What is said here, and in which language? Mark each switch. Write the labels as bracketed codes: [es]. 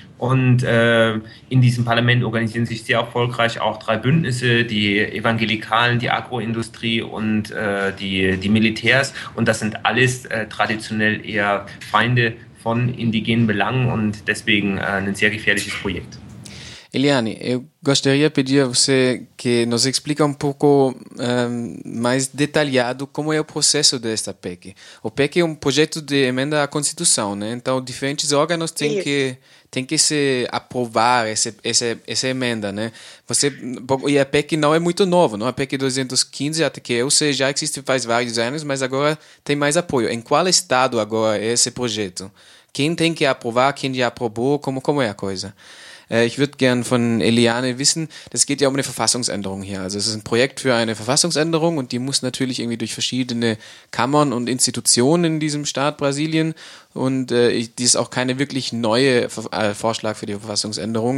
[de] Und in diesem Parlament organisieren sich sehr erfolgreich auch drei Bündnisse, die Evangelikalen, die Agroindustrie und die Militärs. Und das sind alles traditionell eher Feinde von indigenen Belangen und deswegen ein sehr gefährliches Projekt. [pt] Eliane, eu gostaria de pedir a você que nos explique um pouco mais detalhado como é o processo desta PEC. O PEC é um projeto de emenda à Constituição, né? Então, diferentes órganos têm que se aprovar essa emenda, né? E a PEC não é muito nova, não? A PEC 215, até que eu sei, já existe faz vários anos, mas agora tem mais apoio. Em qual estado agora é esse projeto? Quem tem que aprovar, quem já aprovou, como é a coisa? [de] Ich würde gerne von Eliane wissen, das geht ja um eine Verfassungsänderung hier. Also es ist ein Projekt für eine Verfassungsänderung und die muss natürlich irgendwie durch verschiedene Kammern und Institutionen in diesem Staat Brasilien. Und die ist auch keine wirklich neue Vorschlag für die Verfassungsänderung.